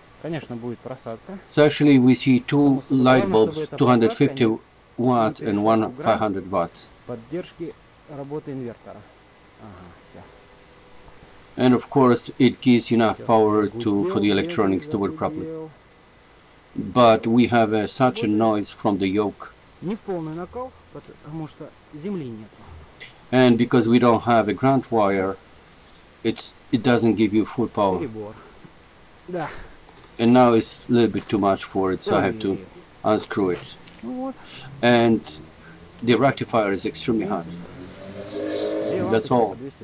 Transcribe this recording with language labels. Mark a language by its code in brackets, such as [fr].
[ru] Конечно, будет просадка. [en] So actually we see two light bulbs, 250 watts and one 500 watts. [ru] Поддержки работы инвертора. [en] And of course it gives enough power to for the electronics to work properly. But we have such a noise from the yoke. [ru] Не полный накал, потому что земли нет. [en] And because we don't have a ground wire, it doesn't give you full power. [ru] Да. [en] And now it's a little bit too much for it, so I have to unscrew it. And the rectifier is extremely hot. That's all.